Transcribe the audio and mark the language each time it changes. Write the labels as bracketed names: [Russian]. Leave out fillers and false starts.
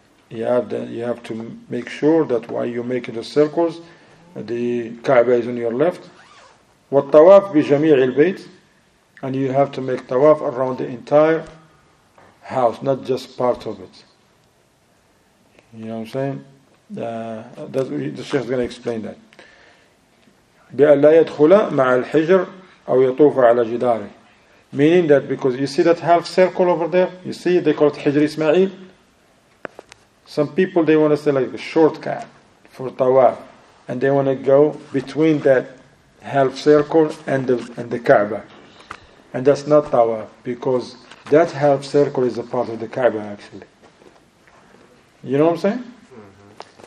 [English] You have to make sure that while you're making the circles, the Kaaba is on your left. [Arabic] والطواف بجميع البيت. [English] And you have to make tawaf around the entire house, not just part of it. You know what I'm saying? The Sheikh is going to explain that. [Arabic] بأن لا يدخل مع الحجر أو يطوف على جداره. [English] Meaning that because you see that half circle over there, you see they call it Hijr Ismail. Some people they want to say like a shortcut for tawaf, and they want to go between that half circle and the Kaaba, and that's not tawaf because that half circle is a part of the Kaaba actually. You know what I'm saying? Mm-hmm.